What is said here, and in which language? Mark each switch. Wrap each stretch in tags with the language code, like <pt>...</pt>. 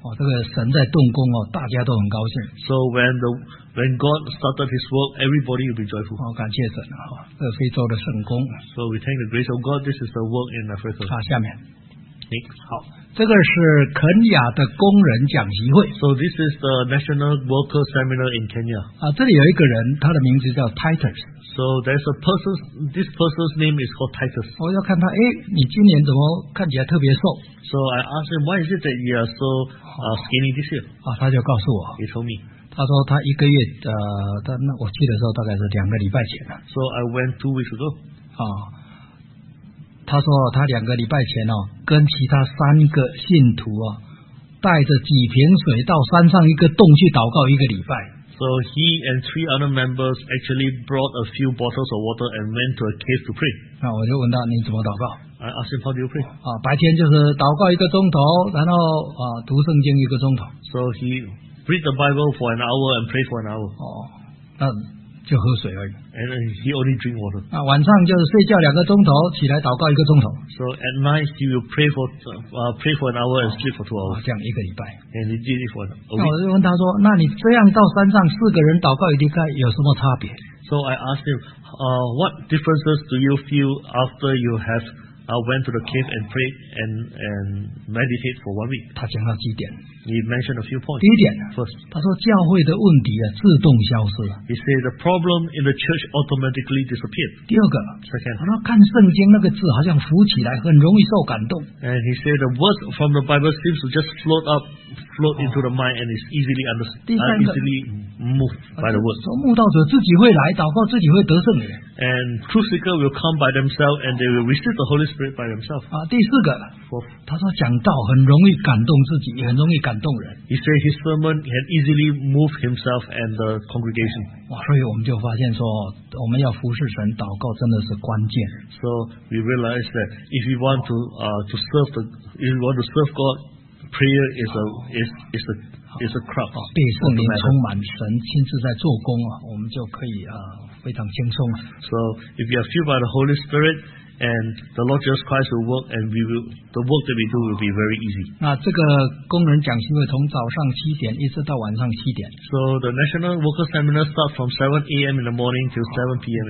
<zh>哦，这个神在动工哦，大家都很高兴。</zh> <en>So when God started His work, everybody will be joyful.</en> <zh>好、哦，感谢神哈、哦，这非洲的圣工。</zh> <en>So we thank the grace of God. This is the work in Africa.</en> <zh>好、啊，下面，你好，这个是肯雅的工人讲习会。</zh> <en>So this is the National Worker Seminar in Kenya.</en> <zh>啊，这里有一个人，他的名字叫 Titus。</zh> <en>So there's a person. This person's name is called Titus.</en> <zh>我、哦、要看他，哎，你今年怎么看起来特别瘦</zh> <en>？So I asked him, why is it that you are so skinny this year?</en> <zh>啊，他就告诉我</zh> <en>，He told me.</en> <zh>他说他一个月那我去的时候大概是两个礼拜前了。</zh> <en>So I went 2 weeks ago.</en> <zh>啊，他说他两个礼拜前哦，跟其他三个信徒啊，带着几瓶水到山上一个洞去祷告一个礼拜。</zh> <en>So he and three other members actually brought a few bottles of water and went to a cave to pray.</en> <zh>那我就问他你怎么祷告</zh> <en>？I asked him how do you pray.</en> <zh>啊，白天就是祷告一个钟头，然后啊读圣经一个钟头。</zh> <en>So he. Read the Bible for an hour and pray for an hour.</en> <zh>哦，那就喝水而已。</zh> <en>And he only drink water.</en> <zh>那晚上就是睡觉两个钟头，起来祷告一个钟头。</zh> <en>So at night he will pray for an hour and sleep for 2 hours.</en> <zh>这样一个礼拜。</zh> <en>And he did it for a week.</en> <zh>那我就问他说，那你这样到山上四个人祷告一个礼拜有什么差别</zh> <en>？So I asked him, what differences do you feel after you have went to the cave and prayed and meditate for 1 week?</en> <zh>他讲到几点？</zh> <en>He mentioned a few points.</en> <zh>第一点</zh> <en>，first，</en> <zh>他说教会的问题啊自动消失了。</zh> <en>He said the problem in the church automatically disappeared.</en> <zh>第二个</zh> <en>，second，</en> <zh>他说看圣经那个字好像浮起来，很容易受感动。</zh> <en>And he said the words from the Bible seems to just float up, float into the mind and is easily understood, easily moved by the word.</en> <zh>说慕道者自己会来祷告，自己会得圣灵。</zh> <en>And true seeker will come by themselves and they will receive the Holy Spirit by themselves.</en> <zh>啊，第四个</zh> <en>，fourth，</en> <zh>他说讲道很容易感动自己，也很容易感。</zh> <en>He said his sermon can easily move himself and the congregation.</en> <zh>哇，所以我们就发现说，我们要服侍神，祷告真的是关键。</zh> <en>So we realize that if we want to serve God, prayer is a crux.</en> <zh>被圣灵充满，神亲自在做工啊，我们就可以非常轻松。</zh> <en>So if you are filled by the Holy Spirit. And the Lord Jesus Christ will work, and we will. The work that we do will be very easy.</en> <zh>那这个工人讲习会从早上七点一直到晚上七点。</zh> <en>So the National Worker Seminar starts from 7 a.m. in the morning till 7 p.m. in the evening.</en>